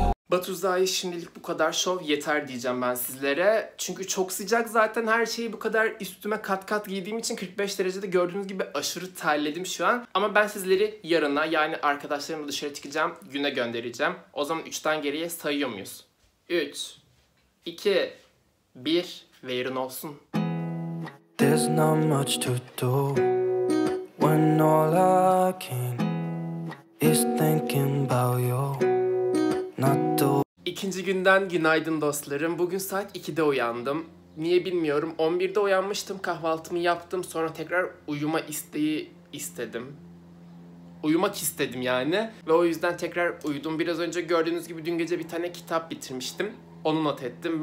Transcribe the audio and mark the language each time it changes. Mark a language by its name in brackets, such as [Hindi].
[Turkish] Batuza'yı şimdilik bu kadar, şov yeter diyeceğim ben sizlere. Çünkü çok sıcak zaten, her şeyi bu kadar üstüme kat kat giydiğim için 45 derecede gördüğünüz gibi aşırı terledim şu an. Ama ben sizleri yarına, yani arkadaşlarımla dışarı çıkacağım güne göndereceğim. O zaman 3'ten geriye sayıyor muyuz? 3, 2, 1 ve yarın olsun. [English] There's not much to do when all I can is thinking about you. [Turkish] İkinci günden günaydın dostlarım. Bugün saat 2'de uyandım. Niye bilmiyorum. 11'de uyanmıştım. Kahvaltımı yaptım. Sonra tekrar uyuma isteği istedim. Uyumak istedim yani. Ve o yüzden tekrar uyudum. Biraz önce gördüğünüz gibi dün gece bir tane kitap bitirmiştim. Onu not ettim.